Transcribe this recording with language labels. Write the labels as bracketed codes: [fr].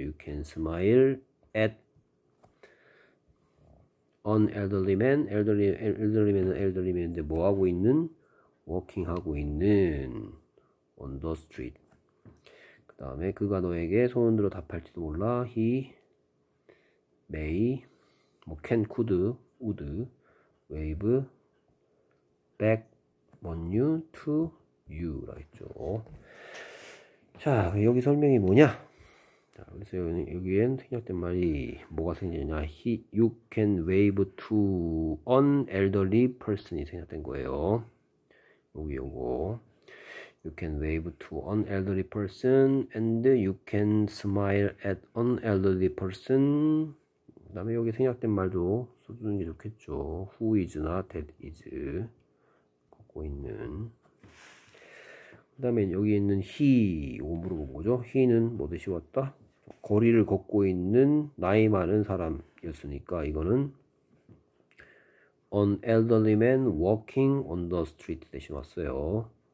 [en] you can smile at an elderly man. [ko] elderly man인데 뭐 하고 있는? walking 하고 있는 [en] on the street. [ko] 그다음에 그가 너에게 손 흔들어 답할지도 몰라. [en] he may 뭐 can could would wave back on you to you라 했죠. [ko] 자, 여기 설명이 뭐냐? 자, 그래서 여기엔 생략된 말이 뭐가 생겼냐? [en] you can wave to an elderly person이 [ko] 생략된 거예요. 여기 요거. [en] you can wave to an elderly person and you can smile at an elderly person. [ko] 그다음에 여기 생략된 말도 써주는 게 좋겠죠. [en] who is나 that is [ko] 갖고 있는. 그다음에 여기 있는 he 이거 물어본 거죠. he는 뭐듯이 왔다. 거리를 걷고 있는 나이 많은 사람이었으니까 이거는 [en] an elderly man walking on the street [ko] 대신 왔어요.